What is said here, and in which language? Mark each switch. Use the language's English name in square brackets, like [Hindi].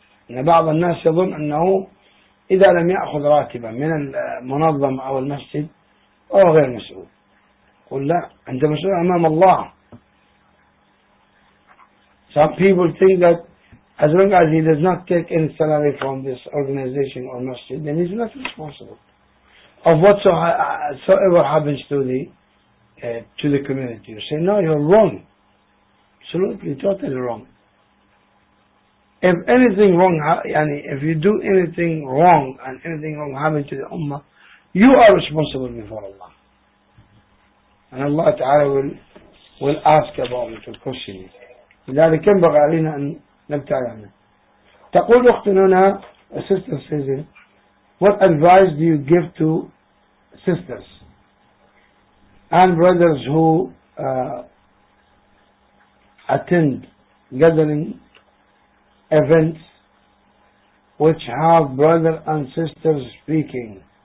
[Arabic] إن بعض الناس يظن أنه إذا لم يأخذ راتبا من المنظمة أو المسجد أو غير مسؤول. قل لا، أنت مسؤول أمام الله. [English] Some people think that as long as he does not take any salary from this organization or masjid, then he's not responsible of whatsoever happens to the community. You say, no, you're wrong. Absolutely, totally wrong. If anything wrong, if you do anything wrong and anything wrong happens to the ummah, you are responsible before Allah. And Allah Ta'ala will ask about it, will question it. [Arabic] لذلك ينبغي علينا أن نبتعد عنه. تقول أختنا هنا [English] sister says, what advice do you give to sisters and brothers who attend gathering events which have brother and sisters speaking